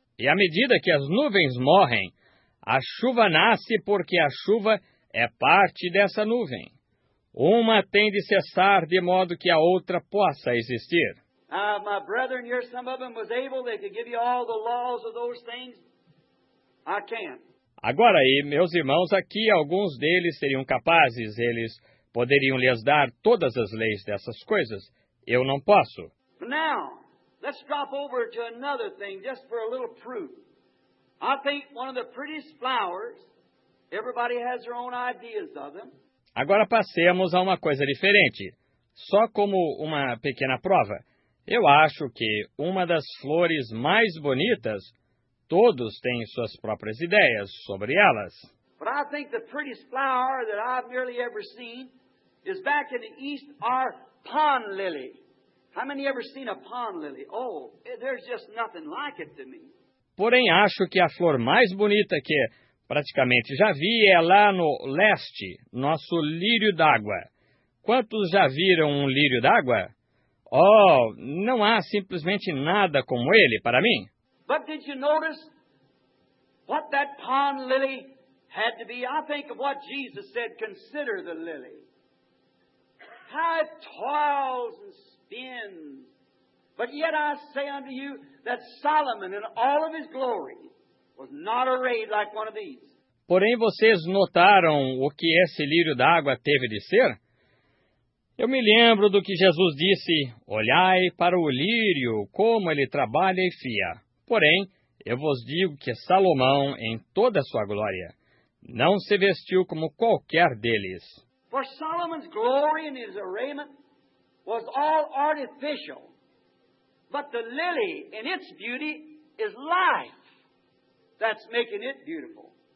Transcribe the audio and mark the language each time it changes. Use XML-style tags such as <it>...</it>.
<pt>E à medida que as nuvens morrem, a chuva nasce porque a chuva é parte dessa nuvem. Uma tem de cessar de modo que a outra possa existir.</pt> <en>My brethren, here some of them was able, they could give you all the laws of those things. I can't.</en> <pt>Agora aí, meus irmãos, aqui alguns deles seriam capazes, eles poderiam lhes dar todas as leis dessas coisas. Eu não posso.</pt> <en>Now, let's drop over to another thing just for a little proof. I think one of the prettiest flowers, everybody has their own ideas of them.</en> <pt>Agora passemos a uma coisa diferente, só como uma pequena prova. Eu acho que uma das flores mais bonitas, todos têm suas próprias ideias sobre elas.</pt> <en>But I think the prettiest flower that I've nearly ever seen is back in the east, our pond lily. How many ever seen a pond lily? Oh, there's just nothing like it to me.</en> <pt>Porém, acho que a flor mais bonita que praticamente já vi é lá no leste, nosso lírio d'água. Quantos já viram um lírio d'água? Oh, não há simplesmente nada como ele para mim.</pt> <en>But did you notice what that pond lily had to be? I think of what Jesus said, consider the lily. How it toils and spins. But yet I say unto you that Solomon in all of his glory was not arrayed like one of these.</en> <pt>Porém, vocês notaram o que esse lírio d'água teve de ser? Eu me lembro do que Jesus disse, olhai para o lírio, como ele trabalha e fia. Porém, eu vos digo que Salomão, em toda a sua glória, não se vestiu como qualquer deles.</pt> <en>For Solomon's glory and his arrayment was all artificial, but the lily in its beauty is life that's making it beautiful.</en>